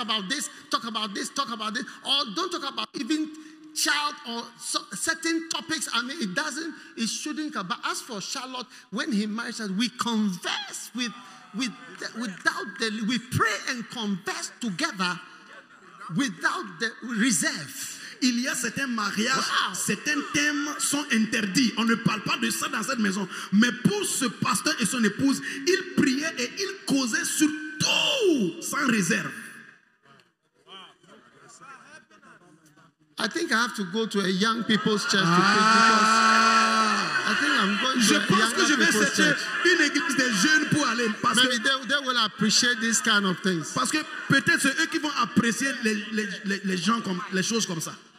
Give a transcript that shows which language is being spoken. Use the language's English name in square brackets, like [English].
[English] You don't ever talk about this, or don't talk about even child or certain topics. I mean, it shouldn't come. But as for Charlotte, when he marries us, we converse we pray and converse together without the reserve. [French] Il y a certains mariages, wow. Certains thèmes sont interdits. On ne parle pas de ça dans cette maison. Mais pour ce pasteur et son épouse, ils priaient et ils causaient sur tout sans réserve. [English] I think I have to go to a young people's church to preach because I think I'm going to a young people's church. [French] Je pense que je vais chercher une église des jeunes pour aller parce [English] maybe [French] que [English] they will appreciate this kind of things. [French] Parce que peut-être c'est eux qui vont apprécier les gens comme les choses comme ça.